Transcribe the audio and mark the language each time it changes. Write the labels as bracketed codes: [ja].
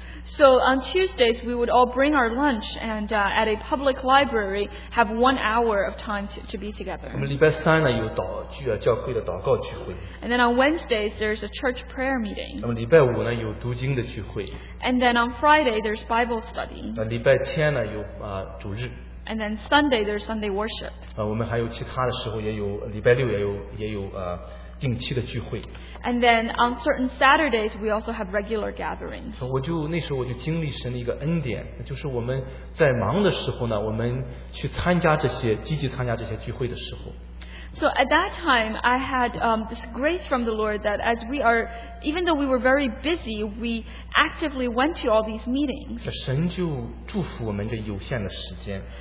[en] So on Tuesdays we would all bring our lunch and at a public library have 1 hour of time to be together. [zh] 我们礼拜三呢有祷聚啊教会的祷告聚会。 [en] And then on Wednesdays there's a church prayer meeting. [zh] 那么礼拜五呢有读经的聚会。 [en] And then on Friday there's Bible study. [zh] 那礼拜天呢有主日。 [en] And then Sunday there's Sunday worship. [zh] 我们还有其他的时候也有礼拜六也有。 [en] And then on certain Saturdays, we also have regular gatherings. [zh] 那时候我就经历神的一个恩典，就是我们在忙的时候呢，我们去参加这些，积极参加这些聚会的时候。 [en] So at that time, I had this grace from the Lord that as we are, even though we were very busy, we actively went to all these meetings. [zh] 神就祝福我们这有限的时间。